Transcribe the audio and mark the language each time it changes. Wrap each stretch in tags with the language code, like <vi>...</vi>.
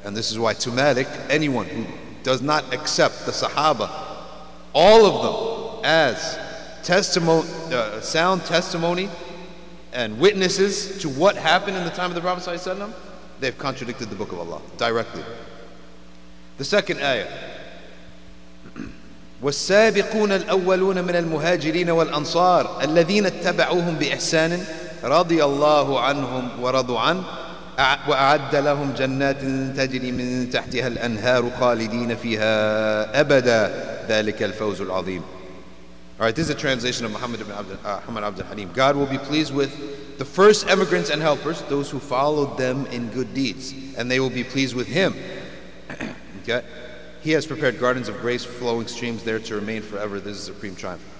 <en>And this is why Tumadik, anyone who does not accept the sahaba, all of them, as testimony, sound testimony and witnesses to what happened in the time of the Prophet Sallallahu Alaihi Wasallam, they've contradicted the Book of Allah directly. The second ayah.</en> <ar>والسابقون الأولون من المهاجرين والأنصار الذين اتبعوهم بإحسان رضي الله عنهم ورضوا عنه وأعد لهم جنات تجري من تحتها الأنهار خالدين فيها أبدا ذلك الفوز العظيم.</ar> <en>All right, this is a translation of Muhammad Abdul Halim. God will be pleased with the first emigrants and helpers, those who followed them in good deeds, and they will be pleased with him. Okay. He has prepared gardens of grace, flowing streams there to remain forever. This is a supreme triumph.</en>